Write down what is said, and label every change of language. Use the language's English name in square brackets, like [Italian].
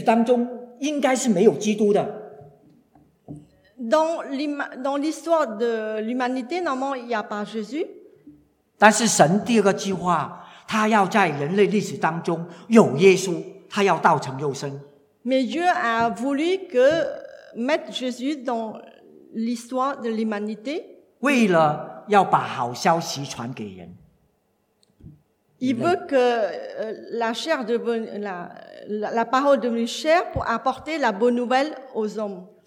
[Chinese] 这位原来不属于这个历史的基督，这位人类的历史当中应该是没有基督的。 [French] Dans l'histoire de l'humanité, normalement, il n'y a pas Jésus. [Chinese] 但是神第二个计划, 祂要在人类历史当中有耶稣, 祂要道成肉身。 [French] Mais Dieu a voulu que mettre Jésus dans l'histoire de l'humanité. [Chinese] 为了要把好消息传给人, [French] il veut que la chair devienne la parole devienne chair pour apporter la bonne nouvelle aux hommes.